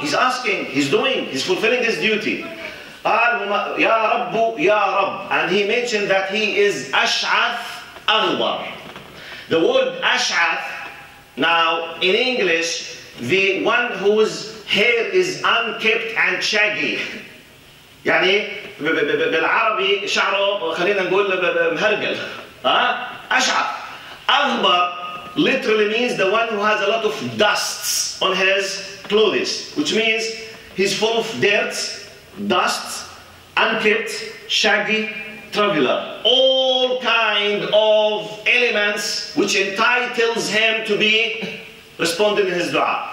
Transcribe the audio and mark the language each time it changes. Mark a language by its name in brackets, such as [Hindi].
[English] He's asking, he's doing, he's fulfilling his duty. [Arabic] قال يا رب يا رب. [English] And he mentioned that he is أشعث أغبر. The word أشعث, now in English, the one whose hair is unkept and shaggy. [Arabic] يعني بالعربي شعره خلينا نقول مهرقل. [English] أشعث أغبر literally means the one who has a lot of dusts on his clothes, which means he's full of dirt, dust, unkempt, shaggy, traveler. All kind of elements which entitles him to be responding in his dua.